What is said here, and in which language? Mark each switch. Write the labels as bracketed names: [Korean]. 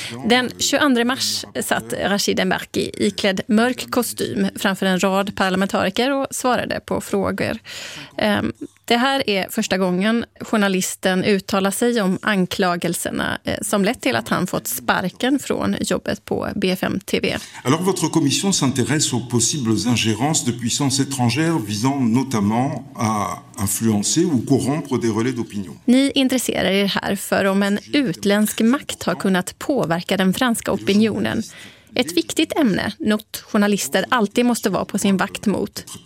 [Swedish] Den 22 mars satt Rachid Mbarki iklädd mörk kostym framför en rad parlamentariker och svarade på frågor. Det här är första gången journalisten uttalar sig om anklagelserna som lett till att han fått sparken från jobbet på BFM TV. [French] Alors votre commission s'intéresse aux possibles ingérences de puissances étrangères visant notamment à influencer ou corrompre des relais d'opinion. [Swedish] Ni intresserar er här för om en utländsk makt har kunnat påverka den franska opinionen. Ett viktigt ämne, något journalister alltid måste vara på sin vakt mot.